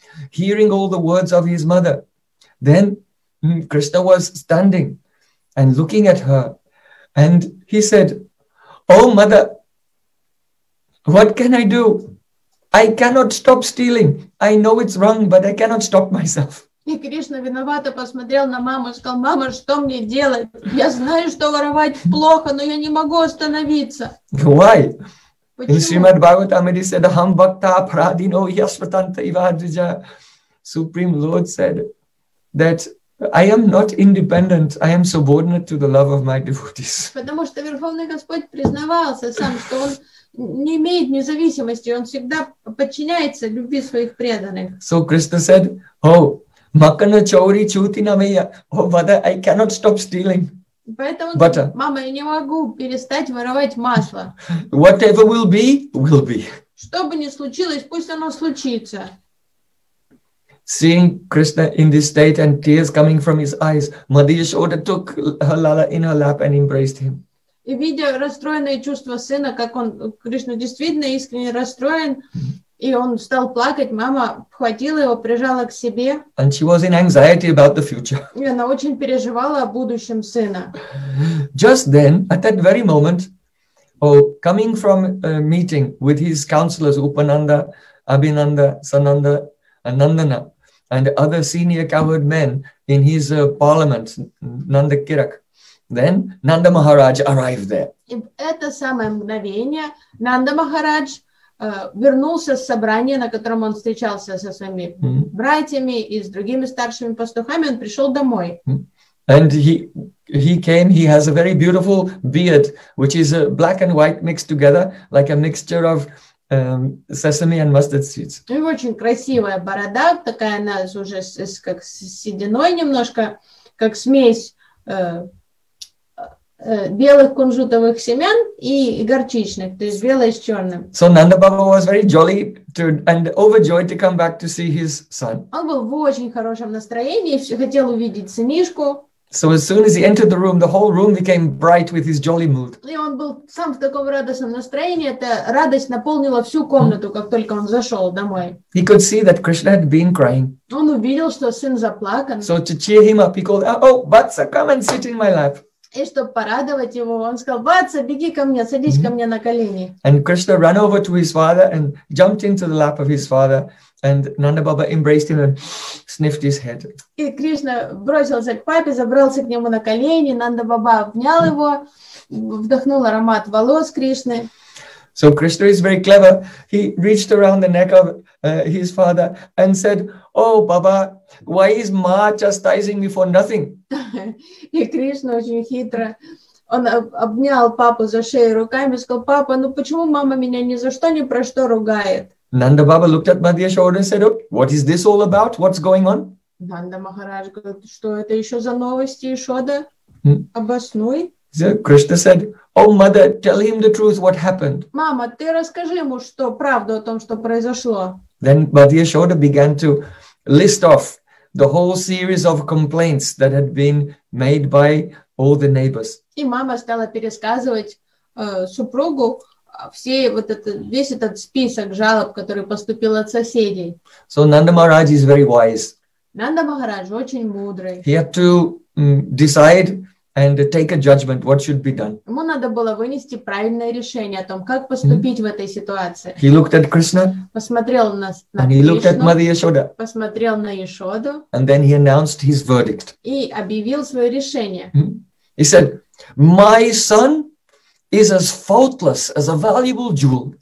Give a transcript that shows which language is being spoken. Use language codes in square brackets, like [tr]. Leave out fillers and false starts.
[en] Hearing all the words of his mother, then Krishna was standing and looking at her, and he said, "Oh mother, what can I do? I cannot stop stealing. I know it's wrong, but I cannot stop myself." [ru] И Кришна виновато посмотрел на маму и сказал: "Мама, что мне делать? Я знаю, что воровать плохо, но я не могу остановиться." [en] Why? In Srimad Bhagavatam, it is said, [sa] "Aham bhakta apradino yasvatanta ivadvija." [en] Supreme Lord said that I am not independent. I am subordinate to the love of my devotees. [ru] Потому что Верховный Господь признавался сам, что он не имеет независимости, он всегда подчиняется любви своих преданных. [en] So Krishna said, "Oh, [hi] makana chori chuti namaya. [en] Oh, mother, I cannot stop stealing." [ru] Поэтому, butter. Мама, я не могу перестать воровать масло. [en] Whatever will be, will be. [ru] Что бы ни случилось, пусть оно случится. [en] Seeing Krishna in this state and tears coming from his eyes, Madhya Yashoda took her Lala in her lap and embraced him. [ru] И видя расстроенные чувства сына, как он, Кришна действительно искренне расстроен, и он стал плакать, мама обхватила его, прижала к себе. [en] And she was in anxiety about the future. [ru] И она очень переживала о будущем сына. [en] Just then, at that very moment, coming from a meeting with his counselors, Upananda, Abhinanda, Sananda, and Nandana, and other senior cowherd men in his parliament, Nandakirak. Then Nanda Maharaj arrived there. [ru] И в это самое мгновение Нанда Махарадж вернулся с собрания, на котором он встречался со своими братьями и с другими старшими пастухами. Он пришел домой. [en] And he came. He has a very beautiful beard, which is black and white mixed together, like a mixture of sesame and mustard seeds. [ru] И очень красивая борода, такая она уже с как с сединой немножко, как смесь белых кунжутовых семян и горчичных, то есть белое с черным. [en] So Nanda Baba was very jolly to and overjoyed to come back to see his son. [ru] Он был в очень хорошем настроении, все хотел увидеть сынишку. [en] So as soon as he entered the room, the whole room became bright with his jolly mood. [ru] И он был сам в таком радостном настроении, эта радость наполнила всю комнату, как только он зашел домой. [en] He could see that Krishna had been crying. [ru] Он увидел, что сын заплакан. [en] So to cheer him up, he called, "Oh, Vatsa, come and sit in my lap." [ru] И чтобы порадовать его, он сказал, Ватса, беги ко мне, садись ко мне на колени. [en] And Krishna ran over to his father and jumped into the lap of his father. And Nanda Baba embraced him and sniffed his head. [ru] И Кришна бросился к папе, забрался к нему на колени. Нанда Баба обнял его, вдохнул аромат волос Кришны. [en] So Krishna is very clever. He reached around the neck of his father and said, "Oh, Baba, why is Ma chastising me for nothing?" [ru] И Кришна очень хитро. Он обнял папу за шею руками и сказал, "Папа, ну почему мама меня ни за что, ни про что ругает?" [en] Nanda Baba looked at Madhya Shoda and said, "Oh, what is this all about? What's going on?" [ru] Nanda Maharaj говорит, что это еще за новости, Шода? Обоснуй. [en] So Krishna said, "Oh, mother, tell him the truth. What happened?" [ru] Мама, ты расскажи ему, что правду о том, что произошло. [en] Then Madhya Shoda began to list off the whole series of complaints that had been made by all the neighbors. [ru] И мама стала пересказывать супругу. Все вот это, весь этот список жалоб, который поступил от соседей. [en] So Nanda Maharaj is very wise. [ru] Nanda Maharaj очень мудрый. [en] He had to decide and take a judgment what should be done. [ru] Ему надо было вынести правильное решение о том, как поступить в этой ситуации. [en] He looked at Krishna. [ru] Посмотрел на [en] Кришну. And he looked at Madhya Yashoda. [ru] Посмотрел на Яшоду. [en] And then he announced his verdict. [ru] И объявил свое решение. [en] He said, "My son is as faultless as a valuable jewel."